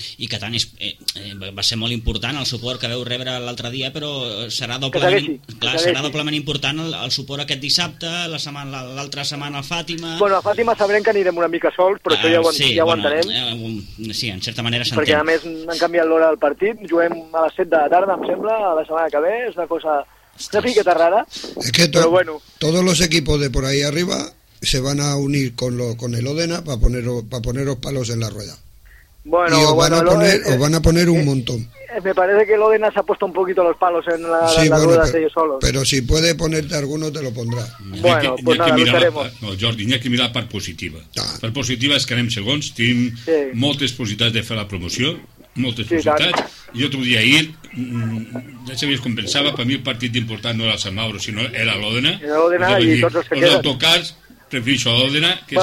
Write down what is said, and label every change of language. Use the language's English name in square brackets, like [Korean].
[Catalan] I que tant, va ser molt important el suport que veu rebre l'altre dia, però serà doblement important el suport aquest dissabte, l'altra setmana a Fàtima... Bueno, a Fàtima sabrem que anirem una mica sols, però això ja ho entenem. Sí, en certa manera s'entén. Perquè, a més, han canviat l'hora del partit, juguem a les 7 de la tarda, em sembla, a la setmana que ve, és una cosa... Ostres. Una piqueta rara, [Spanish] es que [Catalan] però bueno... [Spanish] Todos los equipos de por ahí arriba... se van a unir con el Odena para poneros palos en la rueda. Bueno, os van a poner un montón. Me parece que el Odena se ha puesto un poquito los palos en las ruedas pero, ellos solos. Pero si puede ponerte alguno, te lo pondrá. Bueno, que, pues nada, [Catalan] lucharemos. No, Jordi, n'hi ha que mirar la part positiva. La part positiva és que anem segons, tenim moltes possibilitats de fer la promoció, moltes possibilitats. I l'altre dia ahir, ja sabies com pensava, per mi el partit important no era el Sant Mauro, sinó era l'Odena. Els autocars... Prefixo a l'Òdena, que és